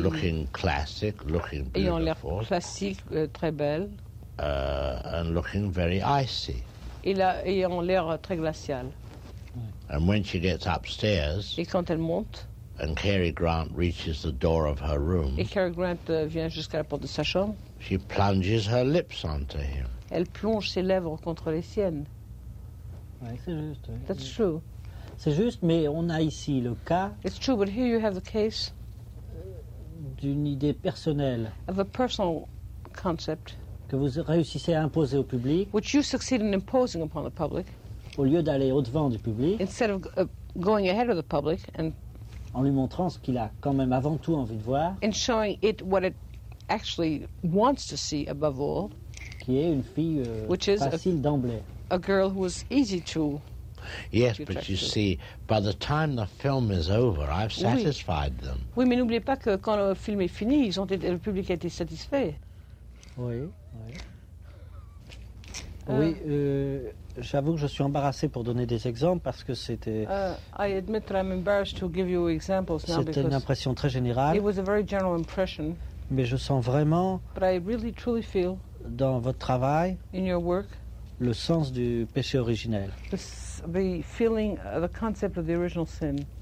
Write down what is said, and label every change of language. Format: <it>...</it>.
<en>Looking classic, looking beautiful.</en> <fr>Ayant l'air classique, très belle.</fr> <en>And looking very icy.</en> <fr>Ayant l'air très glacial.</fr> <en>And when she gets upstairs.</en> <fr>Et quand elle monte.</fr> <en>And Cary Grant reaches the door of her room.</en> <fr>Et Cary Grant vient jusqu'à la porte de sa chambre.</fr> <en>She plunges her lips onto him.</en> <fr>Elle plonge ses lèvres contre les siennes. Ouais, c'est juste. Oui.</fr> <en>That's true.</en> <fr>C'est juste, mais on a ici le cas.</fr> <en>It's true, but here you have the case.</en> <fr>D'une idée personnelle.</fr> <en>Of a personal concept.</en> <fr>Que vous réussissez à imposer au public.</fr> <en>Which you succeed in imposing upon the public.</en> <fr>Au lieu d'aller au-devant du public.</fr> <en>Instead of going ahead of the public and.</en> <fr>En lui montrant ce qu'il a quand même avant tout envie de voir.</fr> <en>In showing it what it actually wants to see above all.</en> <fr>Qui est une fille</fr> <en>which is</en> <fr>facile d'emblée.</fr> <en>A girl who is easy to. Yes, but you see, by the time the film is over, I've satisfied</en> <fr>oui.</fr> <en>them.</en> <fr>Oui, mais n'oubliez pas que quand le film est fini, ils ont été, le public a été satisfait. Oui, oui. Oui, j'avoue que je suis embarrassé pour donner des exemples parce que c'était.</fr> <en>I admit that I'm embarrassed to give you examples now.</en> <fr>C'était une impression très générale.</fr> <en>It was a very general impression.</en> <fr>Mais je sens vraiment.</fr> <en>But I really truly feel.</en> <fr>Dans votre travail.</fr> <en>In your work.</en> <fr>Le sens du péché originel.</fr> <en>The feeling, the concept of the original sin.</en>